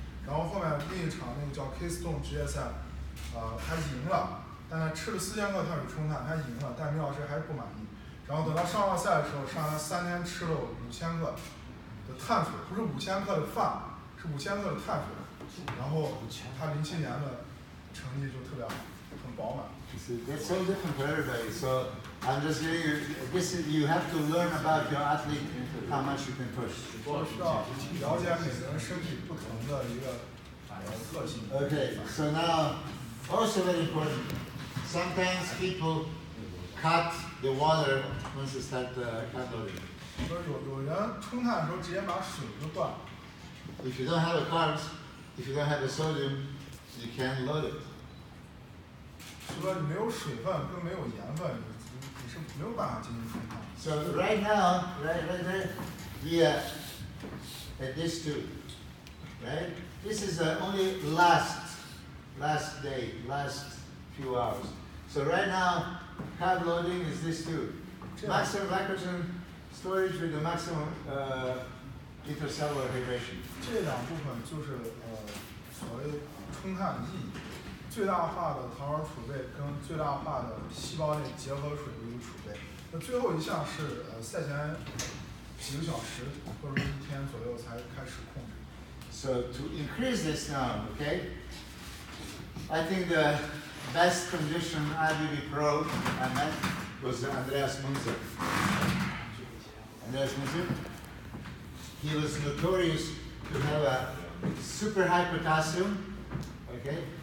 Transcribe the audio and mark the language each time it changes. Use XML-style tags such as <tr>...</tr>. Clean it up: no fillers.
<zh>然后后面另一场那个叫 Keystone 职业赛，他赢了，但他吃了4000克碳水冲碳，他赢了，但米老师还是不满意。然后等他上了赛的时候，上了3天吃了5000克的碳水，不是5000克的饭，是5000克的碳水。然后他2007年的成绩就特别好，很饱满。</zh> <en>That's so different for everybody. So I'm just saying, this is you have to learn about your athlete, how much you can push.</en> <zh>我需要了解每个人身体不同的一个特性。</zh> <en>Okay, so now also very important. Sometimes people cut the water when they start the calorie.</en> <zh>有人冲碳的时候直接把水就断了。</zh> <en>If you don't have the carbs, if you don't have the sodium, you can't load it.</en> <zh>除了你没有水分跟没有盐分，你是没有办法进行冲碳。</zh> <en>So right now, right, yeah, at this too, right? This is the only last day, last few hours. So right now, carb loading is this too. Maximum glycogen storage with the maximum intercellular hydration.</en> <zh>这两部分就是所谓冲碳意义。最大化的糖原储备跟最大化的细胞内结合水的一个储备。那最后一项是赛前几个小时或者一天左右才开始控制。</zh> <en>So to increase this now, okay? I think the best condition IBB Pro I met was Andreas Munzer. Andreas Munzer, he was notorious to have a super high potassium, okay?</en>